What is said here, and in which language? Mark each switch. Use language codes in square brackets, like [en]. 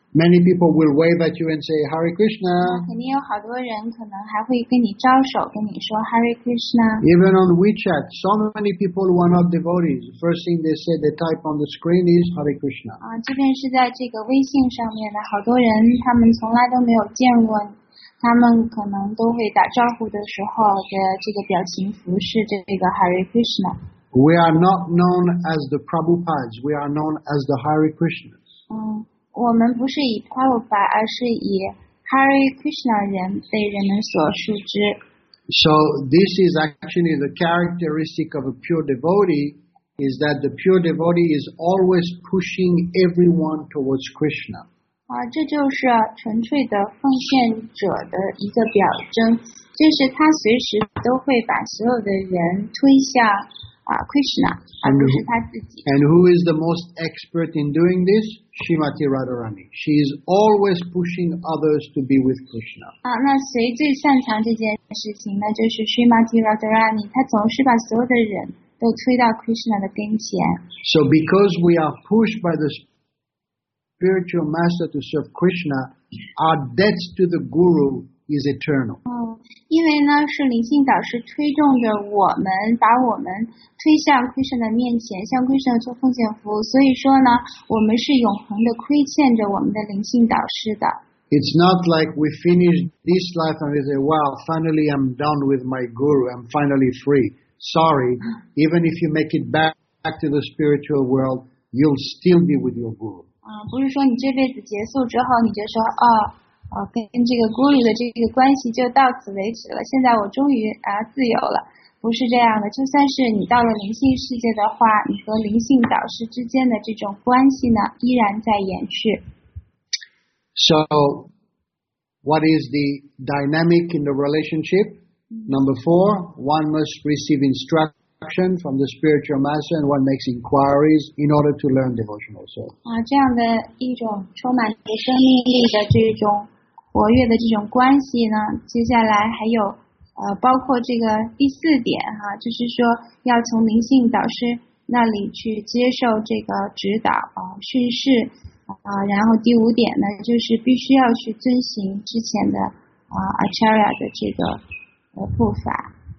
[en] Many people will wave at you and say Hare Krishna. [zh] 肯定有好多人可能还会跟你招手，跟你说 Hare Krishna. [en] Even on WeChat, so many people who are not devotees. First thing they say, they type on the screen is Hare Krishna. [zh] 即便是在这个微信上面的好多人，他们从来都没有见过，他们可能都会打招呼的时候的这个表情符是这个 Hare Krishna. [en] We are not known as the Prabhupadas. We are known as the Hare Krishnas. [zh] 我们不是以 Prabhupada 而是以 Hare Krishna 人被人们所熟知。 [en] So this is actually the characteristic of a pure devotee, is that the pure devotee is always pushing everyone towards Krishna. [zh] 这就是纯粹的奉献者的一个表征，就是他随时都会把所有的人推向Krishna, [en] and who is the most expert in doing this? Srimati Radharani. She is always pushing others to be with Krishna. [zh] 那谁最擅长这件事情呢？就是 Srimati Radharani. 她总是把所有的人都推到 Krishna 的跟前。 [en] So because we are pushed by the spiritual master to serve Krishna, our debt to the guru is eternal. [zh] 因为呢是灵性导师推动着我们，把我们推向 Krishna 的面前，向 Krishna 做奉献服务，所以说呢我们是永恒的亏欠着我们的灵性导师的。 [en] It's not like we finish this life and we say, wow, finally I'm done with my guru, I'm finally free. Sorry, even if you make it back to the spiritual world, you'll still be with your guru. [zh] 不是说你这辈子结束之后你就说跟这个孤立的这个关系就到此为止了，现在我终于自由了，不是这样的。就算是你到了灵性世界的话，你和灵性导师之间的这种关系呢依然在延续。 [en] So what is the dynamic in the relationship? Number four, one must receive instruction from the spiritual master and one makes inquiries in order to learn devotional service. [zh] 这样的一种充满着生命力的这种活跃的这种关系呢，接下来还有包括这个第四点哈，就是说要从灵性导师那里去接受这个指导啊、训示啊，然后第五点呢，就是必须要去遵循之前的啊 Acharya 的这个步伐。